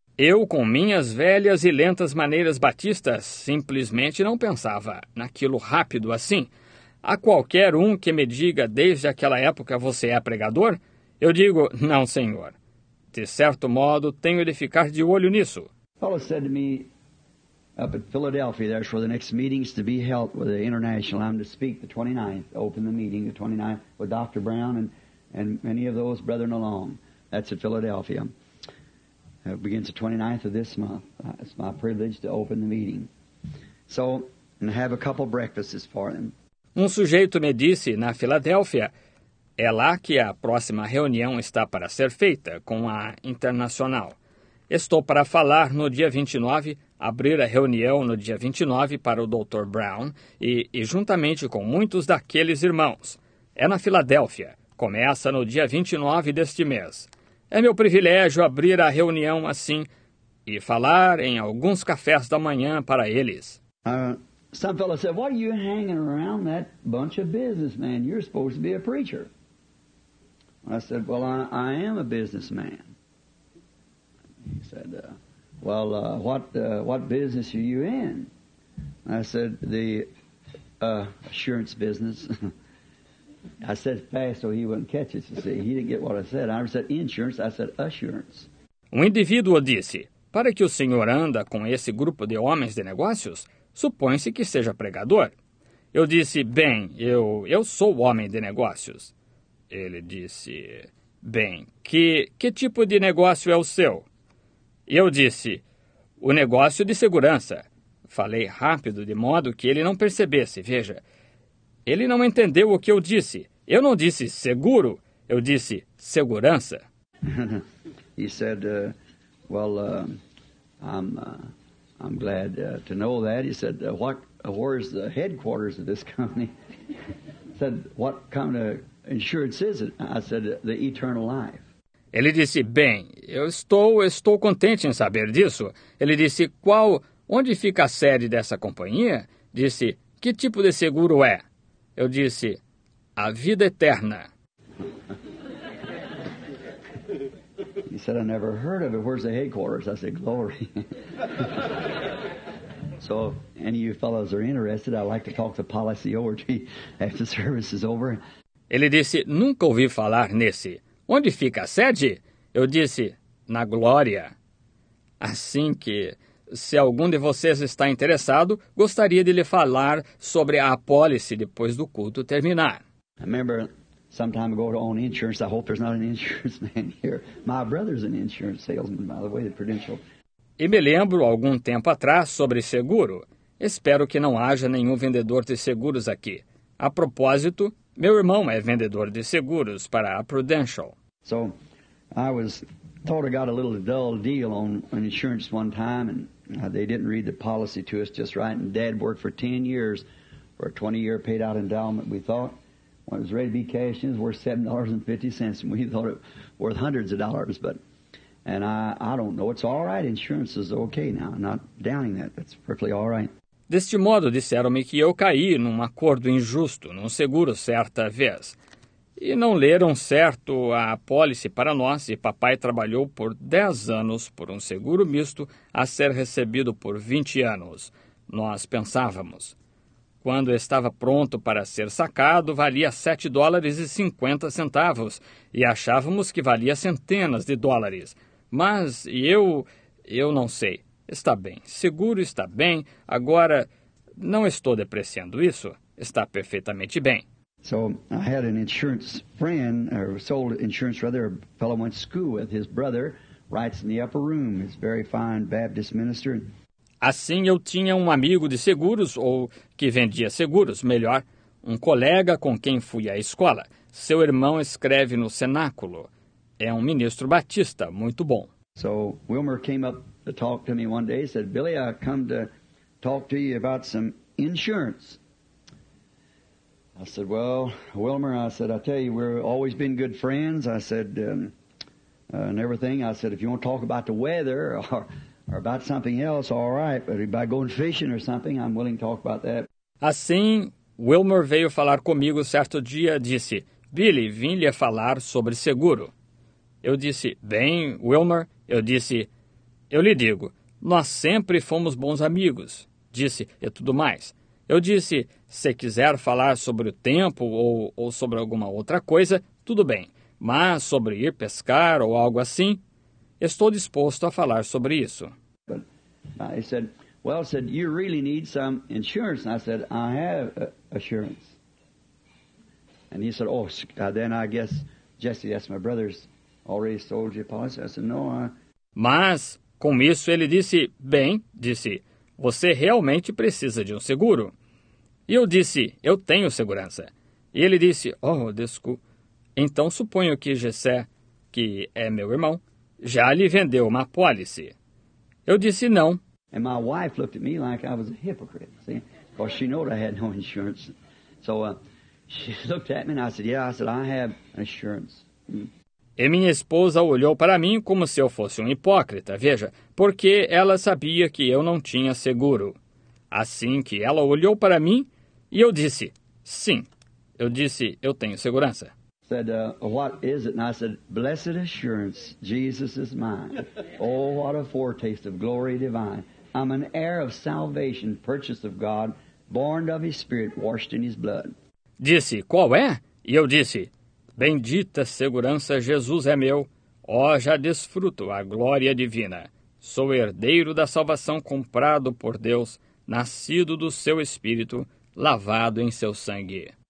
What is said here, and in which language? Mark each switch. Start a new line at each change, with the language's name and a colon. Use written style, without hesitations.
Portuguese: Eu, com minhas velhas e lentas maneiras batistas, simplesmente não pensava naquilo rápido assim. A qualquer um que me diga, desde aquela época você é pregador, eu digo, não, senhor. De certo modo, tenho de ficar de olho nisso. Paulo disse a mim,
English: up at Philadelphia, there's where the next meeting's to be held with the international. I'm to speak the 29th, open the meeting the 29th with Dr. Brown and many of those brethren along. That's at Philadelphia. It begins the 29th of this month. It's my privilege to open the meeting. So, and have a couple breakfasts for them.
Portuguese: Um sujeito me disse na Filadélfia, é lá que a próxima reunião está para ser feita com a Internacional. Estou para falar no dia 29, abrir a reunião no dia 29 para o Dr. Brown e juntamente com muitos daqueles irmãos. É na Filadélfia. Começa no dia 29 deste mês. É meu privilégio abrir a reunião assim e falar em alguns cafés da manhã para eles.
English: Some fellow said, why are you hanging around that bunch of businessmen? You're supposed to be a preacher. I said, well, I am a businessman. He said, well, what business are you in? I said, the assurance business. I said fast so he wouldn't catch it, you see. He didn't get what I said. I said insurance, I said assurance.
Portuguese: Um indivíduo disse, para que o senhor anda com esse grupo de homens de negócios, supõe-se que seja pregador. Eu disse, bem, eu sou homem de negócios. Ele disse, bem, que tipo de negócio é o seu? E eu disse, o negócio de segurança. Falei rápido, de modo que ele não percebesse, veja. Ele não entendeu o que eu disse. Eu não disse seguro, eu disse segurança.
English: He said, well, I'm glad to know that. He said, where is the headquarters of this company? He said, what kind of insurance is it? I said, the eternal life.
Portuguese: Ele disse, bem, eu estou contente em saber disso. Ele disse, onde fica a sede dessa companhia? Disse, que tipo de seguro é? Eu disse, a vida eterna.
English: He said, I never heard of it. Where's the headquarters? I said, glory. So, if any of you fellows are interested, I'd like to talk the policy over to you after service is over.
Portuguese: Ele disse, nunca ouvi falar nesse. Onde fica a sede? Eu disse, na glória. Assim que, se algum de vocês está interessado, gostaria de lhe falar sobre a apólice depois do culto terminar.
English: I remember some time ago to own insurance. I hope there's not an insurance man here. My brother's an insurance salesman, by the way, the Prudential.
Portuguese: E me lembro, algum tempo atrás, sobre seguro. Espero que não haja nenhum vendedor de seguros aqui. A propósito, meu irmão é vendedor de seguros para a Prudential.
English: So, I was thought I got a little dull deal on an insurance one time, and they didn't read the policy to us just right, and Dad worked for 10 years for a 20-year paid-out endowment, we thought. When it was ready to be cashed in, it was worth $7.50, and we thought it worth hundreds of dollars, but, and I don't know, it's all right, insurance is okay now, I'm not downing that, that's perfectly all right.
Portuguese: Deste modo, disseram-me que eu caí num acordo injusto, num seguro certa vez. E não leram certo a apólice para nós e papai trabalhou por 10 anos por um seguro misto a ser recebido por 20 anos. Nós pensávamos. Quando estava pronto para ser sacado, valia $7.50 e achávamos que valia centenas de dólares. Mas eu não sei. Está bem, seguro está bem, agora não estou depreciando isso, está perfeitamente bem.
English: So, I had an insurance friend, or sold insurance rather, a fellow went to school with his brother, writes in the upper room, his very fine Baptist minister.
Portuguese: Assim, eu tinha um amigo de seguros, ou que vendia seguros, melhor, um colega com quem fui à escola. Seu irmão escreve no cenáculo, é um ministro batista, muito bom.
English: So Wilmer came up to talk to me one day. He said, "Billy, I come to talk to you about some insurance." I said, "Well, Wilmer," I said, "I tell you, we've always been good friends." I said, and everything. I said, "If you want to talk about the weather or about something else, all right. But about going fishing or something, I'm willing to talk about that."
Portuguese: Assim, Wilmer veio falar comigo certo dia, disse, "Billy, vim lhe falar sobre seguro." Eu disse, "Bem, Wilmer." Eu disse, "Eu lhe digo, nós sempre fomos bons amigos." Disse, "e tudo mais." Eu disse, "Se quiser falar sobre o tempo ou sobre alguma outra coisa, tudo bem. Mas sobre ir pescar ou algo assim, estou disposto a falar sobre isso." Ele disse,
English: "Well," said, "you really need some insurance." And I said, "I have assurance." And he said, "Then I guess, Jesse, that's my brother's already sold you policy." I said, "No, I..."
Portuguese: Mas, com isso, ele disse, "Bem," disse, "você realmente precisa de um seguro." E eu disse, "Eu tenho segurança." E ele disse, "Oh, desculpa. Então suponho que Jessé, que é meu irmão, já lhe vendeu uma policy." Eu disse não.
English: And my wife looked at me like I was a hypocrite, see? Because she knew I had no insurance. So she looked at me and I said, "Yeah," I said, "I have insurance."
Portuguese: E minha esposa olhou para mim como se eu fosse um hipócrita, veja, porque ela sabia que eu não tinha seguro. Assim que ela olhou para mim, e eu disse, "Sim." Eu disse, "Eu tenho segurança."
English: Said, "What is it?" And I said, "Blessed assurance, Jesus is mine. Oh, what a foretaste of glory divine. I'm an heir of salvation, purchased of God, born of His Spirit, washed in His blood."
Portuguese: Disse, "Qual é?" E eu disse, "Bendita segurança, Jesus é meu. Oh, já desfruto a glória divina. Sou herdeiro da salvação comprado por Deus, nascido do seu Espírito, lavado em seu sangue."